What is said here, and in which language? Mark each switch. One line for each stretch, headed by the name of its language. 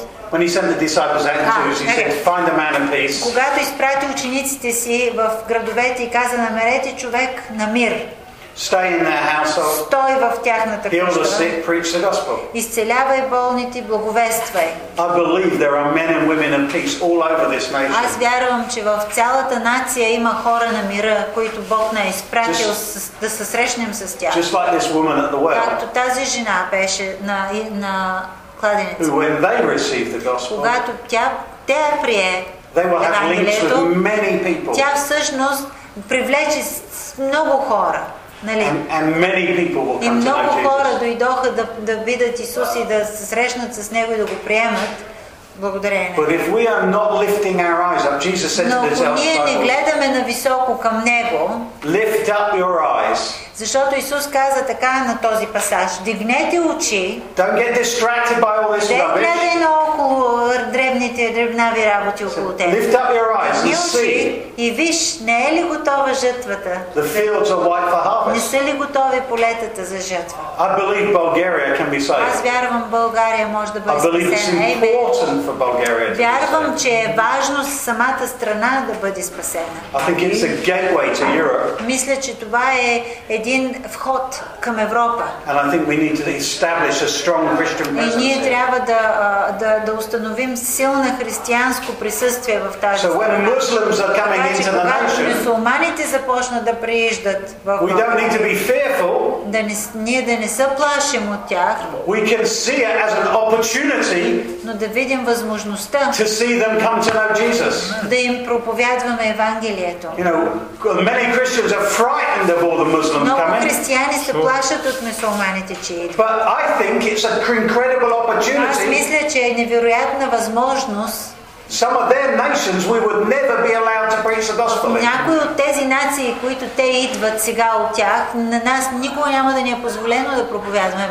English: when he sent the disciples out into he said, find a man of peace.
Bulgarian: Когато изпрати учениците си в градовете и каза, намерете човек на мир.
English: Stay in their household.
Bulgarian: Стой в тяхната къща.
English: Heal the sick, preach the gospel.
Bulgarian: Изцелявай болните, благовествай.
English: I believe there are men and women of peace all over this nation.
Bulgarian: Аз вярвам, че в цялата нация има хора на мира, които Бог не е изпратил да се срещнем с тях.
English: Just like this woman at the well.
Bulgarian: Както тази жена беше на кладенеца.
English: When they received the gospel.
Bulgarian: Когато тя прие.
English: They will have links with many people.
Bulgarian: Тя всъщност привлече много хора. Нали?
English: And many people will come.
Bulgarian: И много хора дойдоха да видят Исус и да се срещнат с него и да го приемат. Благодарение.
English: But if we are not lifting our eyes up, Jesus said to the disciples.
Bulgarian: Но ние не гледаме на високо към него.
English: Lift up your eyes.
Bulgarian: Защото Исус каза така на този пасаж: дигнете очи.
English: Don't get distracted by all this rubbish.
Bulgarian: Гледай наоколо, дребните дребнави работи около теб.
English: Lift up your eyes and see.
Bulgarian: И виж, не е ли готова жътвата?
English: The fields are white for harvest.
Bulgarian: Не са ли готови полетата за жътва?
English: I believe Bulgaria can be saved.
Bulgarian: Аз вярвам, България може да бъде спасена. Вярвам, че е важно самата страна да бъде спасена.
English: I think it's a gateway to Europe.
Bulgarian: Мисля, че това е един вход към Европа.
English: And I think we need to establish a strong Christian presence.
Bulgarian: И ние трябва да установим силно християнско присъствие в тази страна.
English: So when Muslims are coming into the nation,
Bulgarian: когато мюсюлманите започнат да прииждат в
English: Европа, we don't need to be fearful.
Bulgarian: Ние да не се плашим от тях.
English: We can see it as an opportunity.
Bulgarian: Но да видим възможността
English: to see them come to know Jesus.
Bulgarian: Да им проповядваме Евангелието.
English: You know, many Christians are frightened of all the Muslims coming.
Bulgarian: Много християни се плашат от мюсюлманите, че идват.
English: But I think it's an incredible opportunity.
Bulgarian: Аз мисля, че е невероятна възможност.
English: Some of their nations we would never be allowed to preach the gospel.
Bulgarian: Някои от тези нации, които те идват сега от тях, на нас никога няма да ни е позволено да проповядваме.